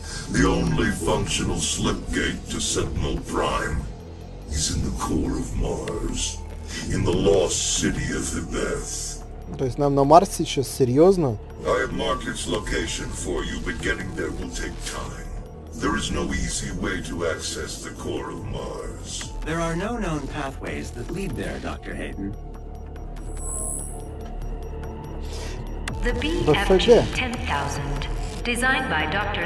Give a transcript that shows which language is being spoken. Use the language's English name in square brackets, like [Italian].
[English] The only functional slipgate to Sentinel Prime is in the core of Mars, in the lost city of Hibeth. [Russian] То есть нам на Марс сейчас серьезно? [English] I have marked its location for you, but getting there will take time. There is no easy way to access the core of Mars. There are no known pathways that lead there, Dr. Hayden. The BFG-10000, designed by Dr.